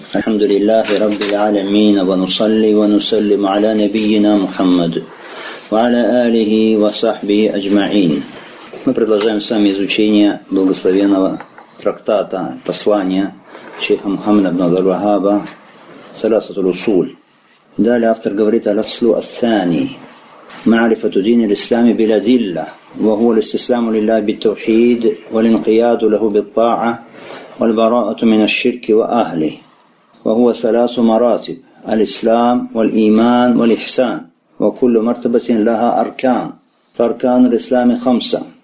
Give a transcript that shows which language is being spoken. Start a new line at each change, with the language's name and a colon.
Arabic: الحمد لله رب العالمين، ونصلي ونسلم على نبينا محمد وعلى آله وصحبه أجمعين.
Russian: Мы продолжаем с вами изучение благословенного трактата послания шейха Мухаммада ибн Абдул-Вахаба «Саласат ал-Усуль». Далее автор говорит о ласлу ас-сани «Маарифату дин ал-Исламе биладилла
Arabic: وهو الاستسلام لله بالتوحيد والانقياد له بالطاعة والبراءة من الشرك وأهله وهو ثلاث مراتب الإسلام والإيمان والإحسان وكل مرتبة لها أركان فأركان الإسلام خمسة